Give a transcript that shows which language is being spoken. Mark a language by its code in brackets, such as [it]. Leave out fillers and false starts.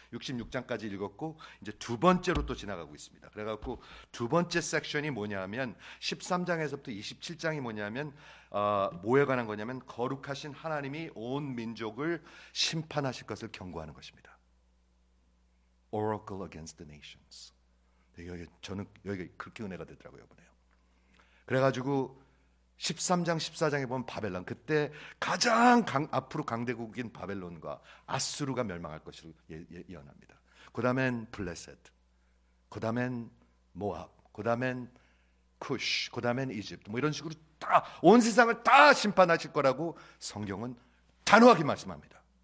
[ko] 66장까지 읽었고 이제 두 번째로 또 지나가고 있습니다. 그래갖고 두 번째 섹션이 뭐냐면 13장에서부터 27장이 뭐냐면 뭐에 관한 거냐면 거룩하신 하나님이 온 민족을 심판하실 것을 경고하는 것입니다. [en] Oracle against the nations. [ko] 저는 여기 그렇게 은혜가 되더라고요, 이번에요. 그래가지고 13장, 14장에 보면 바벨론, 그때 가장 앞으로 강대국인 바벨론과 아수르가 멸망할 것을 예언합니다. 그 다음엔 블레셋, 그 다음엔 모압, 그 다음엔 쿠시, 그 다음엔 이집트, 뭐 이런 식으로 다, 온 세상을 다 심판하실 거라고 성경은 단호하게 말씀합니다.